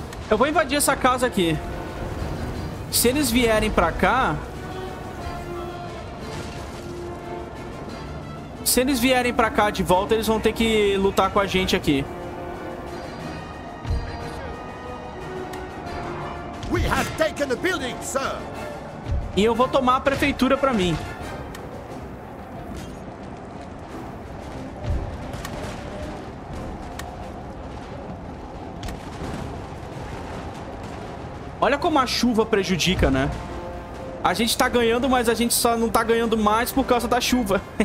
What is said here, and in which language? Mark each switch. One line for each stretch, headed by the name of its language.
Portuguese: Eu vou invadir essa casa aqui. Se eles vierem pra cá... Se eles vierem pra cá de volta, eles vão ter que lutar com a gente aqui.
English: We have taken the building, sir.
Portuguese: E eu vou tomar a prefeitura pra mim. Olha como a chuva prejudica, né? A gente tá ganhando, mas a gente só não tá ganhando mais por causa da chuva.